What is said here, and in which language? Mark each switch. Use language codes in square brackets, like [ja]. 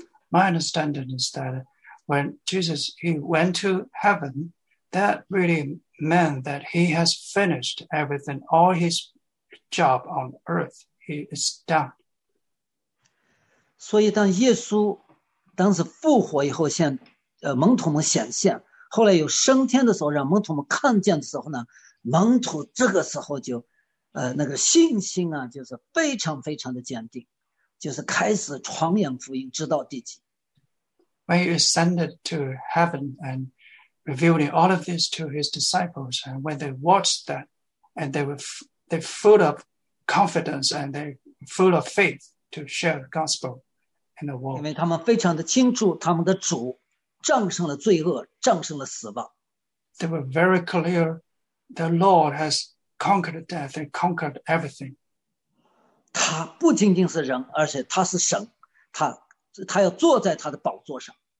[en] My understanding is that when Jesus he went to heaven, that really meant that he has finished everything, all his job on earth. He is done. [zh] 所以当耶稣当时复活以后向门徒们显现，后来又升天的时候让门徒们看见的时候呢，门徒这个时候就那个信心啊，就是非常非常的坚定，就是开始传扬福音直到地极。 [en] When he ascended to heaven and revealing all of this to his disciples, and when they watched that, and they're full of confidence and they're full of faith to share the gospel in the world. [zh] 因为他们非常的清楚，他们的主战胜了罪恶，战胜了死亡。 [en] They were very clear, the Lord has conquered death and conquered everything. [zh] 他不仅仅是人，而且他是神，他要坐在他的宝座上。